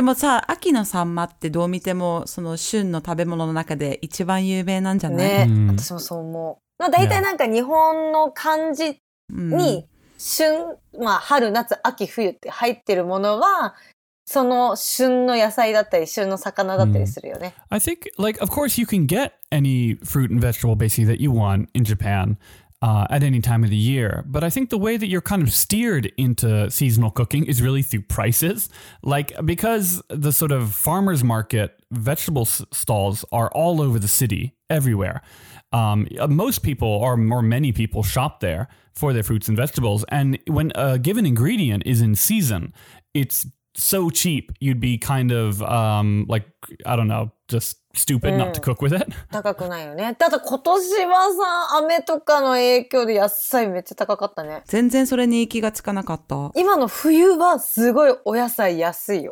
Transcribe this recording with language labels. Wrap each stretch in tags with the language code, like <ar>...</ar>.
<ja>でもさ、秋のサンマってどう見ても、その旬の食べ物の中で一番有名なんじゃない？ね、mm. 私もそう思う。まあ大体なんか日本の漢字に、旬、まあ春、夏、秋、冬って入ってるものは、その旬の野菜だったり、旬の魚だったりするよね。</ja> <en>Mm. I think, like, of course you can get any fruit and vegetable basically that you want in Japan at any time of the year. But I think the way that you're kind of steered into seasonal cooking is really through prices. Like, because the sort of farmers market vegetable stalls are all over the city, everywhere. Most people, or many people, shop there for their fruits and vegetables. And when a given ingredient is in season, it's so cheap, you'd be kind of, like, I don't know, just stupid not to cook with it.</en> <ja>高くないよね。ただ今年はさ、雨とかの影響で野菜めっちゃ高かったね。全然それに気がつかなかった。今の冬はすごいお野菜安いよ。</ja>